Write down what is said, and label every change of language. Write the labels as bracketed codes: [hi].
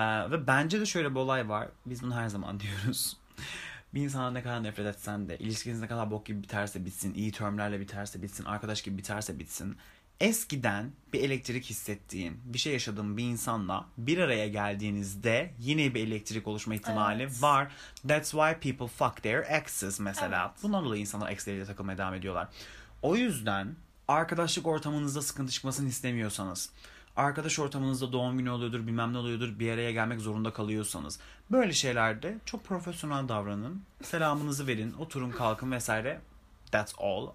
[tr] Ve bence de şöyle bir olay var. Biz bunu her zaman diyoruz. Bir insana ne kadar nefret etsen de, ilişkiniz ne kadar bok gibi biterse bitsin, iyi termlerle biterse bitsin, arkadaş gibi biterse bitsin, eskiden bir elektrik hissettiğin, bir şey yaşadığın bir insanla bir araya geldiğinizde yine bir elektrik oluşma ihtimali evet var. [en] That's why people fuck their exes mesela. [tr] Evet. Bundan dolayı insanlar exleriyle takılmaya devam ediyorlar. O yüzden arkadaşlık ortamınızda sıkıntı çıkmasını istemiyorsanız, arkadaş ortamınızda doğum günü oluyordur, bilmem ne oluyordur, bir araya gelmek zorunda kalıyorsanız, böyle şeylerde çok profesyonel davranın. Selamınızı verin, oturun, kalkın vesaire. [en] That's all.